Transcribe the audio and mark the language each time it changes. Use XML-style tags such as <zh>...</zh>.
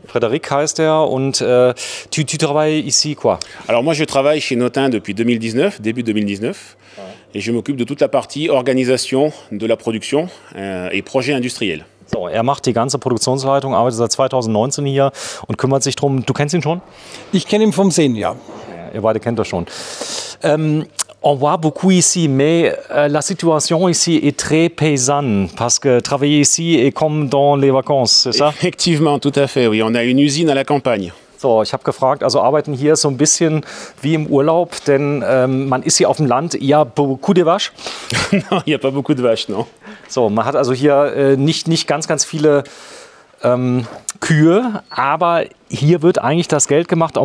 <de>Frédéric heißt er und</de> <fr>tu travailles ici quoi? Alors moi je travaille chez Notin depuis 2019, début 2019. Ouais. Et je m'occupe de toute la partie organisation de la production et projet industriel.</fr> <de>So, er macht die ganze Produktionsleitung, arbeitet seit 2019 hier und kümmert sich drum. Du kennst ihn schon? Ich kenne ihn vom Sehen, ja. Ihr beide kennt das schon.</de> <fr>On voit beaucoup ici, mais la situation ici est très paysanne, parce que travailler ici est comme dans les vacances, c'est ça? Effectivement, tout à fait, oui. On a une usine à la campagne.</fr> <de>So, ich habe gefragt, also arbeiten hier so ein bisschen wie im Urlaub, denn man ist hier auf dem Land.</de> <fr>Il y a beaucoup de vaches? Non, il n'y a pas beaucoup de vaches, non.</fr> <de>So, man hat also hier nicht ganz, ganz viele Kühe, aber hier wird eigentlich das Geld gemacht.</de>